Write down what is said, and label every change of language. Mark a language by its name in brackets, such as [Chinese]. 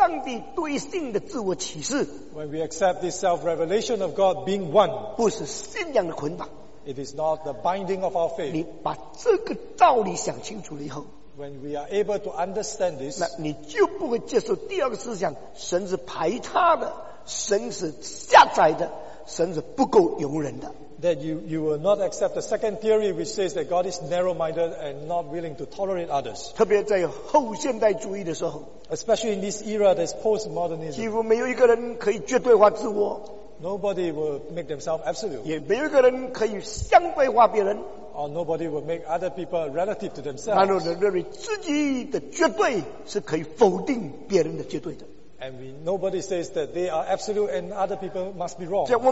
[Chinese] 接受上帝独一性的自我启示, [English] when we accept this self-revelation of God being one, [Chinese] 不是信仰的捆绑, [English] it is not the binding of our faith. [Chinese] 你把这个道理想清楚了以后, [English] when we are able to understand this, [Chinese] 那你就不会接受第二个思想, 神是排他的, 神是下载的, 神是不够容忍的。 [English] That you will not accept the second theory, which says that God is narrow-minded and not willing to tolerate others. [Chinese] 特别在后现代主义的时候, [English] especially in this era that is post-modernism, [Chinese] 几乎没有一个人可以绝对化自我, [English] nobody will make themselves absolute. [Chinese] 也没有一个人可以相对化别人, [English] or nobody will make other people relative to themselves. [Chinese] 然后认为自己的绝对是可以否定别人的绝对的。 [English] And nobody says that they are absolute and other people must be wrong.